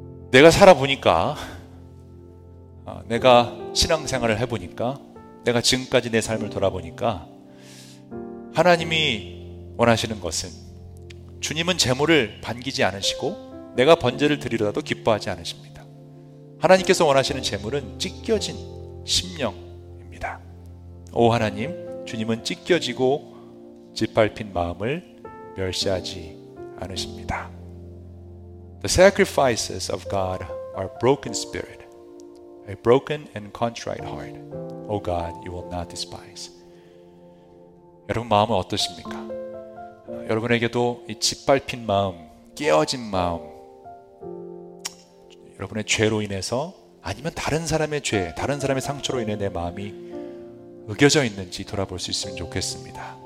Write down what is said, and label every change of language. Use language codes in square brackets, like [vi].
[ko] 내가 살아보니까, 내가 신앙생활을 해보니까, 내가 지금까지 내 삶을 돌아보니까 하나님이 원하시는 것은 주님은 재물을 반기지 않으시고 내가 번제를 드리려도 기뻐하지 않으십니다. 하나님께서 원하시는 재물은 찢겨진 심령입니다. 오 하나님, 주님은 찢겨지고 짓밟힌 마음을 멸시하지 않으십니다. [en] The sacrifices of God are broken spirit, a broken and contrite heart. O God, you will not despise. [ko] 여러분 마음은 어떠십니까? 여러분에게도 이 짓밟힌 마음, 깨어진 마음, 여러분의 죄로 인해서 아니면 다른 사람의 죄, 다른 사람의 상처로 인해 내 마음이 으겨져 있는지 돌아볼 수 있으면 좋겠습니다.